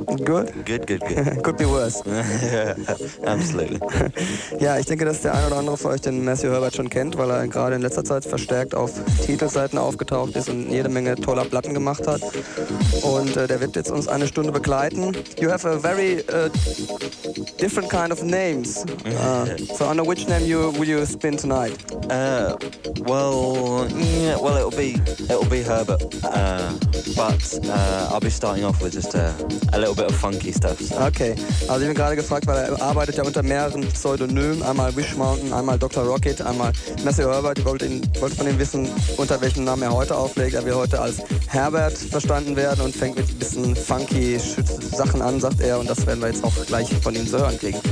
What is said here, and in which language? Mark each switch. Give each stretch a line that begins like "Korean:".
English: Good? Good, good, good. Could be worse. Yeah, absolutely.
German: Ja, ich denke, dass der ein oder andere von euch den Matthew Herbert schon kennt, weil er gerade in letzter Zeit verstärkt auf Titelseiten aufgetaucht ist und jede Menge toller Platten gemacht hat. Und der wird jetzt uns eine Stunde begleiten.
English: You have a very different kind of names. So under which name you will you spin tonight? It'll be Herbert. But I'll be starting off with just a little bit of funky stuff. So. Okay.
German: Also ich bin gerade gefragt, weil er arbeitet ja unter mehreren Pseudonymen. Einmal Wish Mountain, einmal Dr. Rocket, einmal Matthew Herbert. Ich wollte von ihm wissen, unter welchem Namen er heute auflegt. Er will heute als Herbert verstanden werden und fängt mit ein bisschen funky Sachen an, sagt er. Und das werden wir jetzt auch gleich von ihm zu hören kriegen.